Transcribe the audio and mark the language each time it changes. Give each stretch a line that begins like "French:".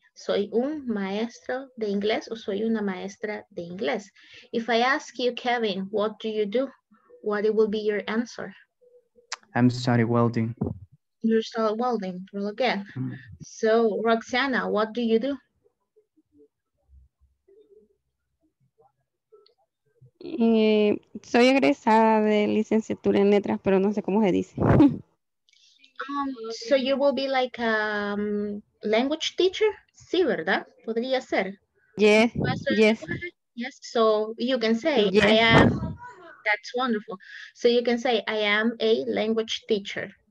Spanish: Soy un maestro de inglés o soy una maestra de inglés.
English: If I ask you, Kevin, what do you do? What will be your answer? I'm studying welding. You're still welding, really good. So Roxana, what do you do?
Spanish: Soy egresada de licenciatura en letras, pero no sé cómo se dice.
English: So you will be like a language teacher?
Spanish: Sí, ¿verdad? Podría ser.
English: Yes, yes. Yes, so you can say, yes. I am, that's wonderful. So you can say, I am a language teacher.